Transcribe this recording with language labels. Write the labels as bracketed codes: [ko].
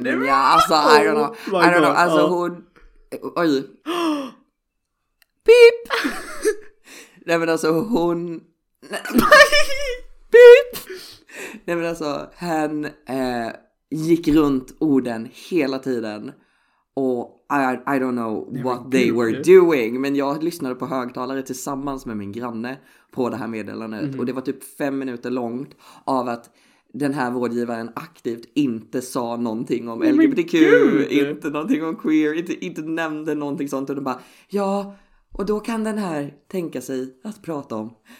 [sv] Nej, men ja, alltså [en] I don't know. Oh, I don't know. [sv] Alltså hon... Oj. Pip! Nej men alltså hon... Pip! Nej men alltså hen gick runt orden hela tiden. Och [en] I don't know what they were doing. [sv] Men jag lyssnade på högtalare tillsammans med min granne på det här meddelandet. Mm. Och det var typ 5 minuter långt av att den här vårdgivaren aktivt inte sa någonting om LGBTQ. Inte någonting om queer. Inte nämnde någonting sånt. Och de bara, ja, och då kan den här tänka sig att prata om.